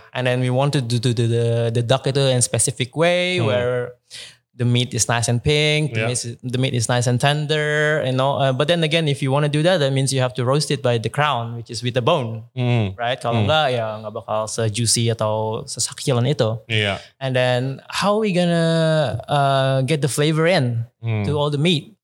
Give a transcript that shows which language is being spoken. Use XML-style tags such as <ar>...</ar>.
<en>And then we want to do the duck itu in specific way where the meat is nice and pink, the meat is nice and tender, you know. But then again, if you want to do that means you have to roast it by the crown, which is with the bone, right?</en> <id>Kalau enggak, ya enggak bakal se-juicy atau sesakilan itu.</id> <en>Yeah. And then, how are we gonna get the flavor in to all the meat?</en>